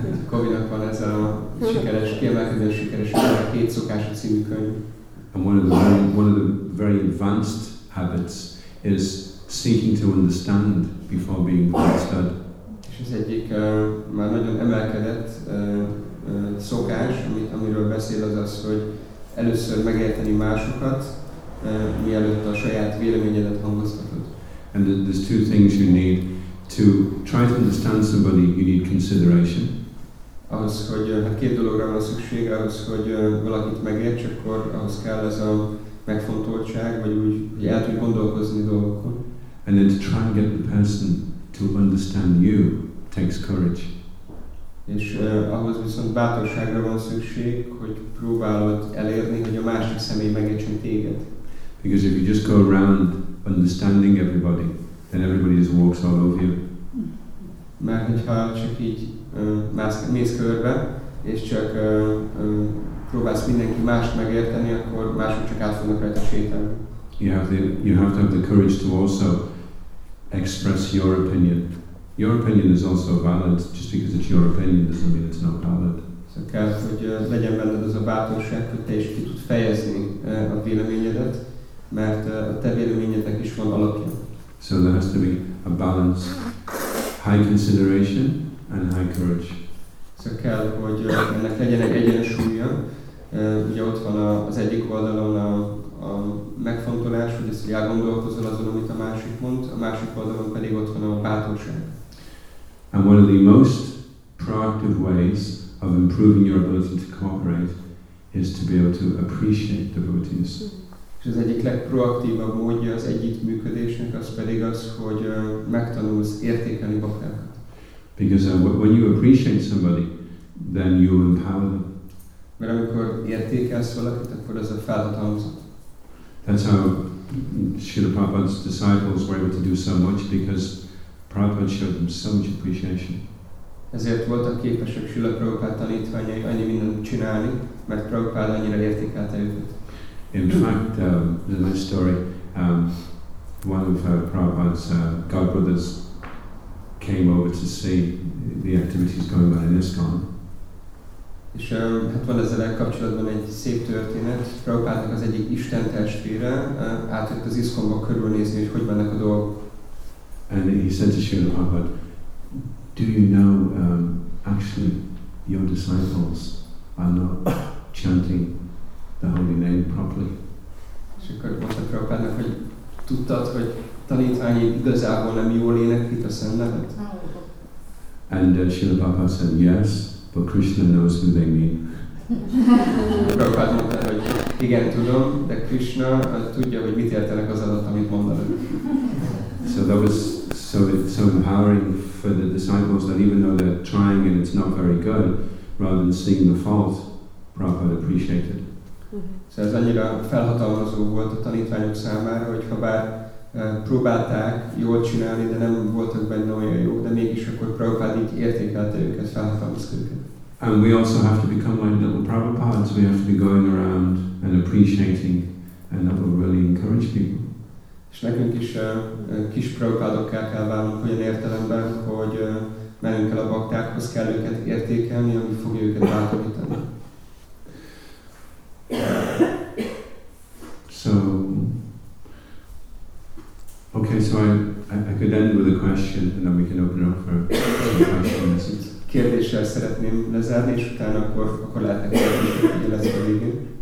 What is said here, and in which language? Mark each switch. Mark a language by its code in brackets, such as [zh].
[hu] Kovinak van ez a sikeres kiemelkedő, sikeres a 7 szokása című könyv. [en] And one of the very advanced habits is seeking to understand before being understood. [hu] És ez egyik már nagyon emelkedett szokás, amiről beszél, az, hogy először megérteni másokat, mielőtt a saját véleményedet hangoztatod. [en] And there's 2 things you need to try to understand somebody. You need consideration. [hu] Ahhoz, hogy a 2 dologra van szükség, ahhoz, hogy valakit megérts, akkor ahhoz kell ez a megfontoltság, vagy úgy, hogy el tudj gondolkozni dolgokon. [en] And then to try and get the person to understand you takes courage. [hu] És ahhoz viszont bátorságra van szükség, hogy próbálod elérni, hogy a másik személy megértsen téged. [en] Because if you just go around understanding everybody, then everybody just walks all over you. [hu] Mert hogyha csak így mész körbe, és csak próbálsz mindenki mást megérteni, akkor mások csak át fognak rajta sétálni. [en] You have to have the courage to also express your opinion. Your opinion is also valid. Just because it's your opinion doesn't mean it's not valid. [hu] So kell, hogy legyen benned az a bátorság, hogy te is ki tud fejezni a véleményedet, mert a te véleményednek is van alapja. [en] So there has to be a balance, high consideration and high courage. [hu] So kell, hogy ennek legyen egy egyensúlya. Ugye ott van az egyik oldalon a megfontolás, hogy ezt elgondolkozol azon, amit a másik mond, a másik oldalon pedig ott van a bátorság. [en] And one of the most proactive ways of improving your ability to cooperate is to be able to appreciate devotees. [hu] És az egyik legproaktívabb módja az együttműködésnek az pedig az, hogy megtanulsz értékelni bhaktákat. [en] Because when you appreciate somebody, then you empower them. [hu] Mert amikor értékelsz valakit, akkor az a felhatalmazott. [en] That's how Srila Prabhupada's disciples were able to do so much, because Prabhupada showed them so much appreciation. [hu] Ezért voltak képesek Srila Prabhupada tanítványai annyi mindent csinálni, mert Prabhupada annyira értékelte őket. [en] In fact, the next story, one of Prabhupada's godbrothers came over to see the activities going on in ISKCON. [hu] És hát van ezzel kapcsolatban egy szép történet. Prabhupádnak az egyik Isten testvére átjött az ISKCON-ba körülnézni, hogy hogy mennek a dolgok. [en] And he said to Srila Prabhupada, "Do you know, actually, your disciples are not chanting the holy name properly?" [hu] És akkor mondta Prabhupádnak, hogy tudtad, hogy tanítványi igazából nem jól éneklik a szent nevet? [en] And Srila Prabhupada said, "Yes, but Krishna knows who they mean." [hu] Prabhupád mondta, hogy igen, tudom, de Krishna tudja, hogy mit értenek az adat, amit mondanak. [en] So that was so empowering for the disciples that even though they're trying and it's not very good, rather than seeing the fault, Prabhupada appreciated. [hu] So ez annyira felhatalmazó volt a tanítványok számára, hogy ha bár próbálták jól csinálni, de nem voltak benne olyan jók, de mégis akkor Prabhupada így értékelte őket, felhatalmazta őket. [en] And we also have to become like little Prabhupada, we have to be going around and appreciating, and that will really encourage people. [hu] És nekünk is kis Prabhupádokká kell válnunk olyan értelemben, hogy menünk el a baktákhoz, kell őket értékelni, ami fogja őket bátorítani. [en] So, okay, so I could end with a question, and then we can open up for questions. [hu] Kérdéssel szeretném lezárni, és utána akkor lehet megkérdezni, hogy lesz a végén.